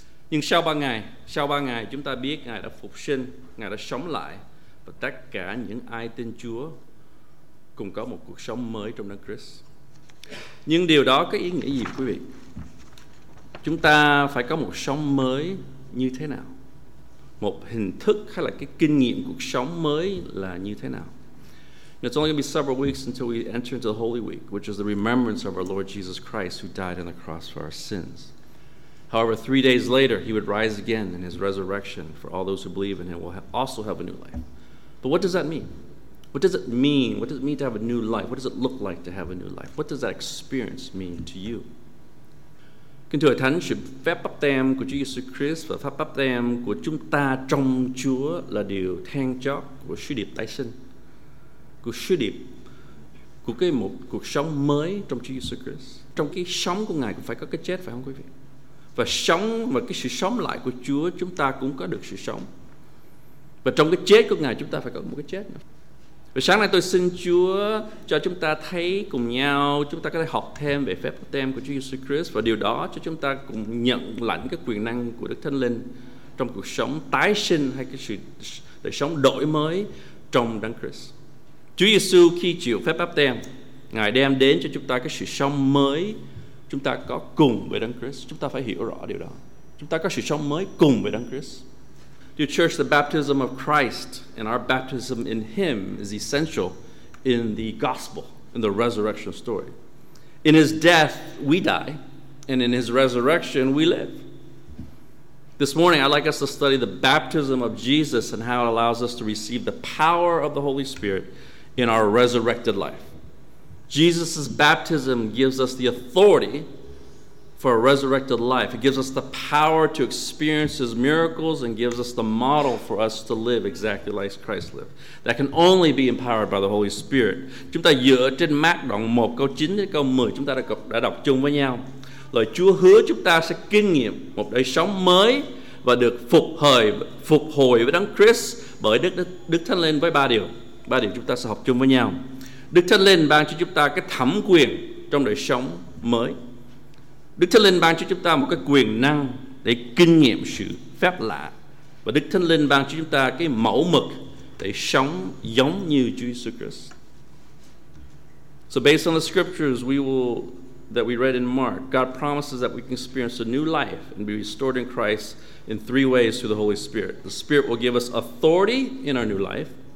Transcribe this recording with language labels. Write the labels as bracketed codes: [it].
[vi] Nhưng sau ba ngày chúng ta biết Ngài đã phục sinh, Ngài đã sống lại, và tất cả những ai tin Chúa cùng có một cuộc sống mới trong Đấng Christ. Nhưng điều đó có ý nghĩa gì quý vị? Chúng ta phải có một sống mới như thế nào? Một hình thức hay là cái kinh nghiệm cuộc sống mới là như thế nào? [en] It's only going to be several weeks until we enter into the Holy Week, which is the remembrance of our Lord Jesus Christ who died on the cross for our sins. However, 3 days later, he would rise again in his resurrection for all those who believe in him will also have a new life. But what does that mean? What does it mean? What does it mean to have a new life? What does it look like to have a new life? What does that experience mean to you? [vi] Kính thưa Thánh, sự phép bắp tem của Chúa Jesus Christ và phép bắp tem của chúng ta trong Chúa là điều then chốt của sứ điệp tái sinh, của sứ điệp của cái một cuộc sống mới trong Chúa Jesus Christ. Trong cái sống của Ngài cũng phải có cái chết, phải không quý vị? Và sống và cái sự sống lại của Chúa, chúng ta cũng có được sự sống. Và trong cái chết của Ngài, chúng ta phải có một cái chết nữa. Và sáng nay tôi xin Chúa cho chúng ta thấy cùng nhau, chúng ta có thể học thêm về phép tem của Chúa Jesus Christ, và điều đó cho chúng ta cùng nhận lãnh cái quyền năng của Đức Thánh Linh trong cuộc sống tái sinh hay cái sự đời sống đổi mới trong Đấng Christ. Chúa Jesus khi chịu phép báp tem, Ngài đem đến cho chúng ta cái sự sống mới chúng ta có cùng với Đấng Christ. Chúng ta phải hiểu rõ điều đó. Chúng ta có sự sống mới cùng với Đấng Christ. [en] The church, the baptism of Christ and our baptism in him is essential in the gospel, in the resurrection story. In his death, we die, and in his resurrection, we live. This morning, I'd like us to study the baptism of Jesus and how it allows us to receive the power of the Holy Spirit in our resurrected life. Jesus' baptism gives us the authority for a resurrected life. It gives us the power to experience his miracles and gives us the model for us to live exactly like Christ lived. That can only be empowered by the Holy Spirit. [vi] Chúng ta dựa trên Mác đoạn 1 câu 9 đến câu 10 chúng ta đã đọc chung với nhau. Lời Chúa hứa chúng ta sẽ kinh nghiệm một đời sống mới và được phục hồi với Đấng Christ bởi Đức Thánh Linh với ba điều chúng ta sẽ học chung với nhau. Đức Thánh Linh ban cho chúng ta cái thẩm quyền trong đời sống mới. Đức Thánh Linh ban cho chúng ta một cái quyền năng để kinh nghiệm sự phép lạ. Và Đức Thánh Linh ban cho chúng ta cái mẫu mực để sống giống như Chúa Jesus Christ. [en] So based on the scriptures that we read in Mark, God promises that we can experience a new life and be restored in Christ in 3 ways through the Holy Spirit. The Spirit will give us authority in our new life.